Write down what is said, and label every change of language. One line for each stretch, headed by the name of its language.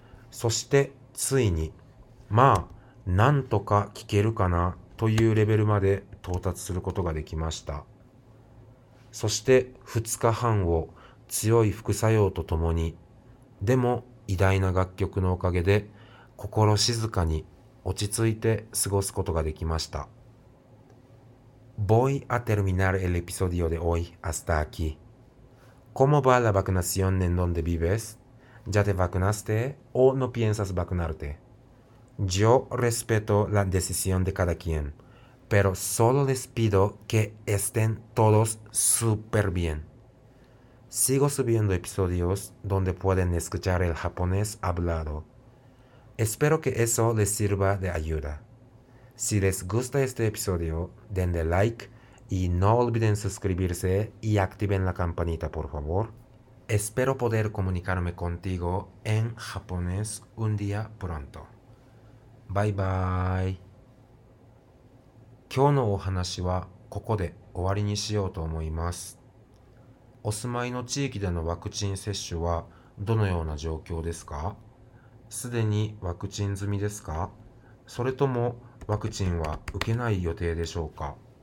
Japanese: そして、ついに、まあ、なんとか聞けるかなというレベルまで到達することができました。そして2日半を強い副作用とともに、でも偉大な楽曲のおかげで心静かに落ち着いて過ごすことができました。
Spanish: Voy a terminar el episodio de hoy hasta aquí. ¿Cómo va la vacunación en donde vives? ¿Ya te vacunaste o no piensas vacunarte? Yo respeto la decisión de cada quien, pero solo les pido que estén todos súper bien. Sigo subiendo episodios donde pueden escuchar el japonés hablado. Espero que eso les sirva de ayuda. Si les gusta este episodio, denle like y no olviden suscribirse y activen la campanita, por favor. Espero poder comunicarme contigo en japonés un día pronto.
Japanese: バイバイ。今日のお話はここで終わりにしようと思います。お住まいの地域でのワクチン接種はどのような状況ですか？すでにワクチン済みですか？それともワクチンは受けない予定でしょうか？